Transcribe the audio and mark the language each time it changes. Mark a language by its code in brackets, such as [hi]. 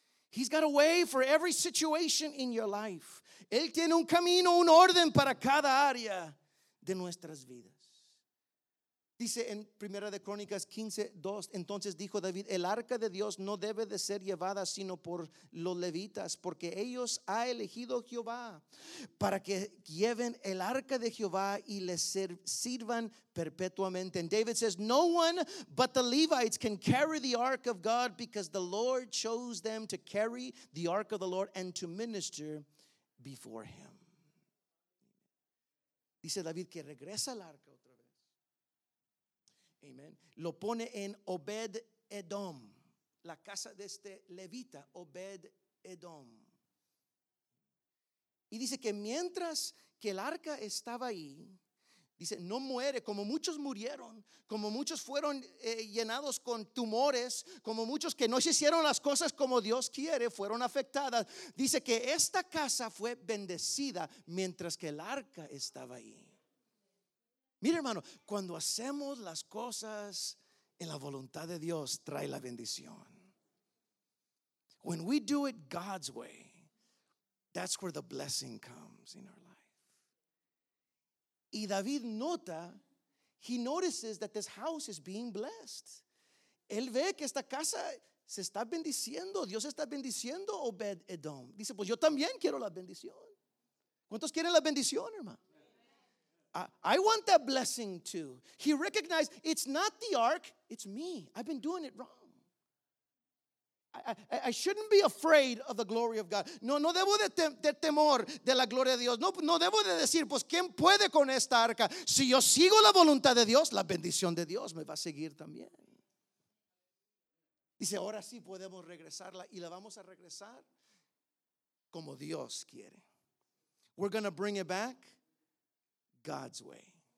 [en] He's got a way for every situation in your life. [es] Él tiene un camino, un orden para cada área de nuestras vidas. Dice en Primera de Crónicas 15:2, entonces dijo David, el arca de Dios no debe de ser llevada sino por los levitas, porque ellos ha elegido Jehová para que lleven el arca de Jehová y les sirvan perpetuamente. [en] And David says, no one but the Levites can carry the ark of God because the Lord chose them to carry the ark of the Lord and to minister before him. [es] Dice David que regresa al arca. Amen. Lo pone en Obed-Edom, la casa de este levita, Obed-Edom. Y dice que mientras que el arca estaba ahí, dice, no muere, como muchos murieron, como muchos fueron llenados con tumores, como muchos que no se hicieron las cosas como Dios quiere, fueron afectadas. Dice que esta casa fue bendecida mientras que el arca estaba ahí. Mira, hermano, cuando hacemos las cosas en la voluntad de Dios, trae la bendición. [en] When we do it God's way, that's where the blessing comes in our life. [es] Y David nota, [en] he notices that this house is being blessed. [es] Él ve que esta casa se está bendiciendo. Dios está bendiciendo Obed-Edom. Dice, pues yo también quiero la bendición. ¿Cuántos quieren la bendición, hermano? [en] I want that blessing too. He recognized, it's not the ark, it's me. I've been doing it wrong. I shouldn't be afraid of the glory of God. [es] No debo de temor de la gloria de Dios. No debo de decir, pues, ¿quién puede con esta arca? Si yo sigo la voluntad de Dios, la bendición de Dios me va a seguir también. Dice, ahora sí podemos regresarla y la vamos a regresar como Dios quiere. [en] We're going to bring it back God's way.